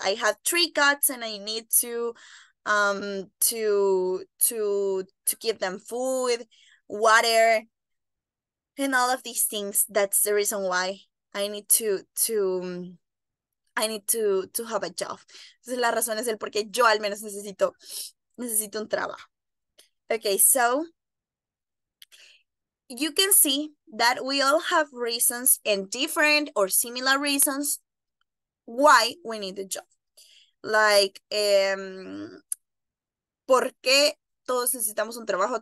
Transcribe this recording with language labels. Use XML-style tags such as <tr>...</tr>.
<en>I have three cats and I need to give them food, water, and all of these things. That's the reason why I need to have a job.</en> <es>Entonces, la razón es el porque yo al menos necesito un trabajo.</es> <en>Okay, so you can see that we all have reasons and different or similar reasons why we need a job.</en> <es>Like, ¿por qué todos necesitamos un trabajo?</es>